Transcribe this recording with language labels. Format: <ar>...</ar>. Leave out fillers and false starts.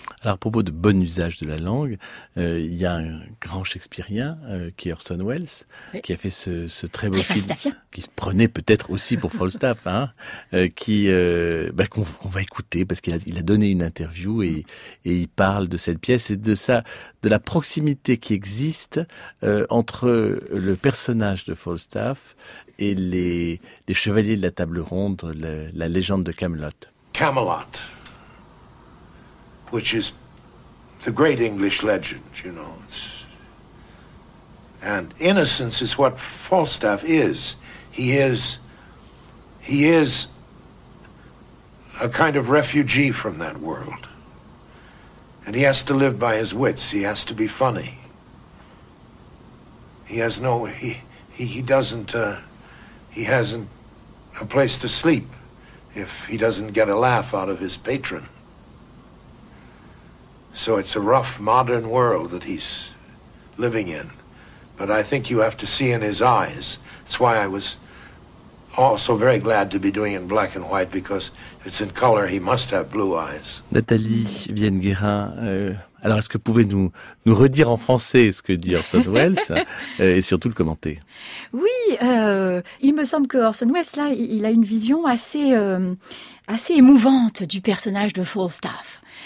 <fr>Alors, à propos de bon usage de la langue, il y a un grand shakespearien, qui est Orson Welles, oui, qui a fait ce très beau film, qui se prenait peut-être aussi pour Falstaff, hein, qu'on va écouter, parce qu'il a donné une interview et il parle de cette pièce et de la proximité qui existe entre le personnage de Falstaff et les chevaliers de la table ronde, la légende de Camelot.</fr> <en>Camelot, which is the great English legend, you know. And innocence is what Falstaff is. He is a kind of refugee from that world. And he has to live by his wits. He has to be funny. He has no... He doesn't... He hasn't a place to sleep if he doesn't get a laugh out of his patron. So it's a rough modern world that he's living in. But I think you have to see in his eyes. That's why I was also very glad to be doing it in black and white, because if it's in color, he must have blue eyes.</en> <fr>Nathalie Vienne-Guerin, alors est-ce que vous pouvez nous redire en français ce que dit Orson Welles et surtout le commenter? Oui, il me semble que Orson Welles, là, il a une vision assez, assez émouvante du personnage de Falstaff.</fr>